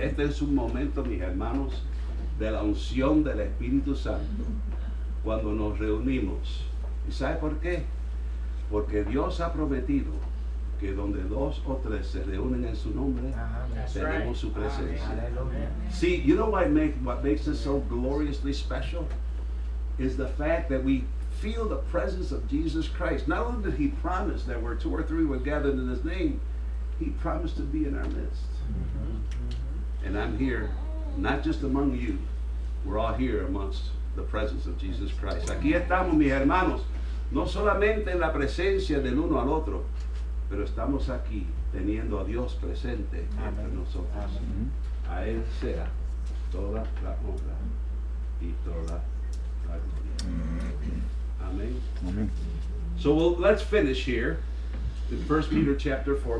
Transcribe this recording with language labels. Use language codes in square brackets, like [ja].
[es] Este es un momento, mis hermanos, de la unción del Espíritu Santo. Cuando nos reunimos. ¿Y sabe por qué? Porque Dios ha prometido que donde dos o tres se reúnen en su nombre, tenemos su presencia. [en] See, you know what makes us so gloriously special? Is the fact that we feel the presence of Jesus Christ. Not only did he promise that where two or three were gathered in his name, he promised to be in our midst. And I'm here, not just among you. We're all here amongst the presence of Jesus Christ. [es] Aquí estamos, mis hermanos. No solamente en la presencia del uno al otro, pero estamos aquí teniendo a Dios presente entre nosotros. A Él sea toda la honra y toda la gloria. [en] Amén. So let's finish here in 1 Peter chapter 4.